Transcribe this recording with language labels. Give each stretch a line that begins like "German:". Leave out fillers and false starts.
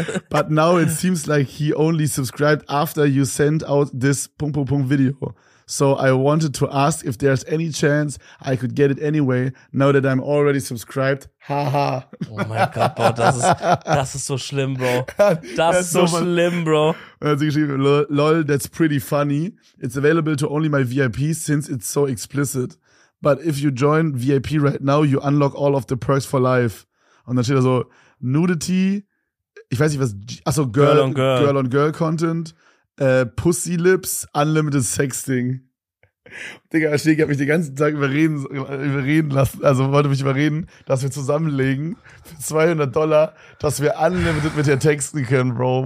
English: But now it seems like he only subscribed after you sent out this
German: Punkt, Punkt, Punkt
English: Video. So I wanted to ask if there's any chance I could get it anyway, now that I'm already subscribed. Haha.
German: Oh mein Gott, Bro, das ist so schlimm, Bro. Das ist so schlimm, Bro. Er hat sich geschrieben,
English: lol, that's pretty funny. It's available to only my VIP since it's so explicit. But if you join VIP right now, you unlock all of the perks for life.
German: Und dann steht da so, Nudity, ich weiß nicht was, achso, Girl on Girl Content. Pussy Lips, Unlimited Sexting. Digga, ich hab mich den ganzen Tag überreden lassen, also wollte mich überreden, dass wir zusammenlegen für $200, dass wir Unlimited mit dir texten können, Bro.